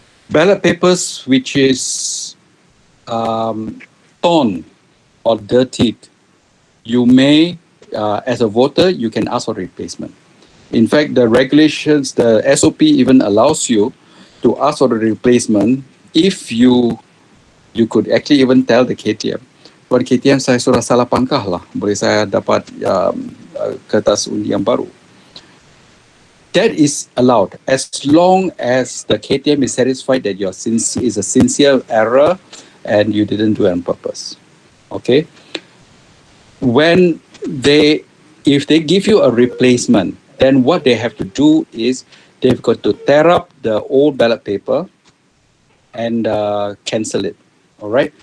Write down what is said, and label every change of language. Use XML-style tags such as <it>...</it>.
<en>Ballot papers which is torn or dirtied, you may, as a voter, you can ask for replacement. In fact, the regulations, the SOP even allows you to ask for the replacement if you could actually even tell the KTM.</en> <ms>Buat KTM saya sudah salah pangkah lah. Boleh saya dapat kertas undi yang baru.</ms> <en>That is allowed as long as the KTM is satisfied that your is a sincere error and you didn't do it on purpose. Okay. When if they give you a replacement, then what they have to do is they've got to tear up the old ballot paper and cancel it. All right.</en>